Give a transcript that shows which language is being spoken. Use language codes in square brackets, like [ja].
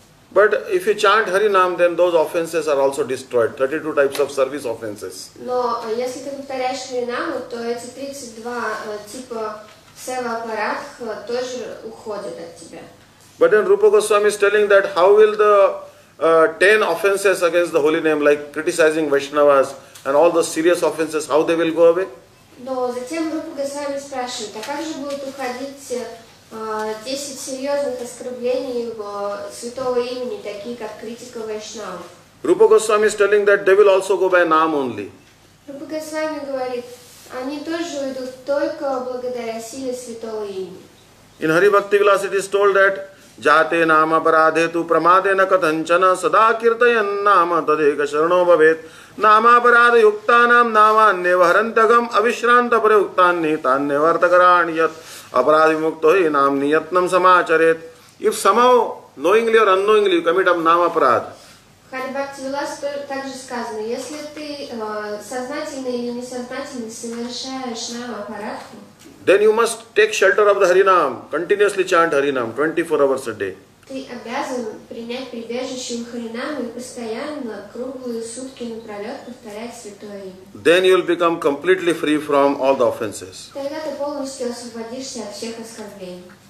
[en] But if you chant Hari Nam, then those offenses are also destroyed. 32 types of service offenses. [ru] Но если ты повторяешь Хари Нам, то эти 32 типа сева апарадх тоже уходят от тебя. [en] But then Rupa Goswami is telling that how will the 10 offenses against the holy name, like criticizing Vaishnavas and all the serious offenses, how they will go away? [ru] Но затем Рупа Госвами спрашивает, а как же будут уходить 10 серьезных оскорблений святого имени, такие как критика Вайшнава? [en] Rupa Goswami is telling that they will also go by Naam only. [ru] Rupa Goswami говорит, они тоже уйдут только благодаря силе святого имени. [en] In Hari Bhakti Vilas it is told that [sa] Jate nama parade tu pramade na katanchana sadakirtayan nama tadeka sharano bhavet nama parade yuktanam nama nevarantagam avishranta prayuktani tan nevartakaran yat aparadi muktohi nam niyatnam samacharet. [en] If somehow knowingly or unknowingly you commit a nama parad. [ru] Hari Bhakti Vilas также сказано, если ты сознательно или несознательно совершаешь нама парад, [en] then you must take shelter of the Harinam, continuously chant Harinam 24 hours a day. [ru] Ты обязан принять прибежище у Харинама и постоянно круглые сутки напролет повторять святое имя. [en] Then you will become completely free from all the offenses. [ru] Тогда ты полностью освободишься от всех оскорблений.